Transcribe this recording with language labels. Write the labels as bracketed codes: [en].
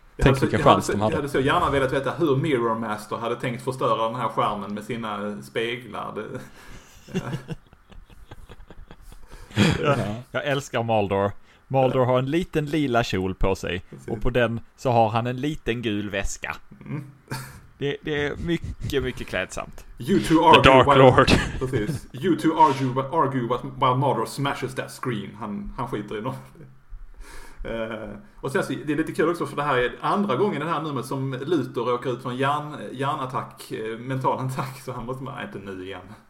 [sv] Jag hade så gärna velat veta hur Mirror Master hade tänkt förstöra den här skärmen med sina speglar. Jag älskar Mulder. Mulder har en liten lila kjol på sig. Precis. Och på den så har han en liten gul väska. Det är mycket, mycket klädsamt. [en] You two argue the Dark Lord. While, you two argue while Mulder smashes that screen. [sv] Han skiter i något. Och sen så, det är lite kul också, för det här är andra gången den här numret som Luthor åker ut från hjärnattack, mental attack, så han måste inte nu igen.